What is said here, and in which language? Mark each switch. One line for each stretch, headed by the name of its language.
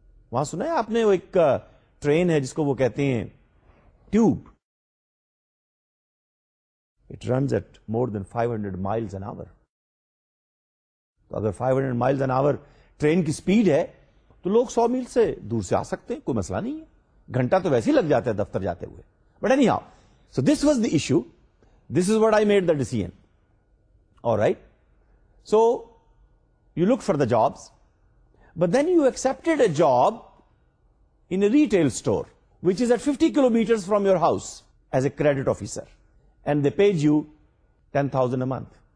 Urdu: وہاں سنا ہے آپ نے, وہ ایک ٹرین ہے جس کو وہ کہتے ہیں tube,
English: it runs at more than 500 miles an hour.
Urdu: تو اگر
English: 500 miles an hour
Urdu: ٹرین کی اسپیڈ ہے تو لوگ 100 میل سے دور سے آ سکتے ہیں, کوئی مسئلہ نہیں ہے, گھنٹہ تو ویسے ہی لگ جاتا ہے دفتر جاتے ہوئے.
English: But anyhow, so this was the issue, this is what I made the decision. All right, so you look for the jobs, but then you accepted a job in a retail store which is at 50 kilometers from your house as a credit officer, and they paid you 10,000 a month.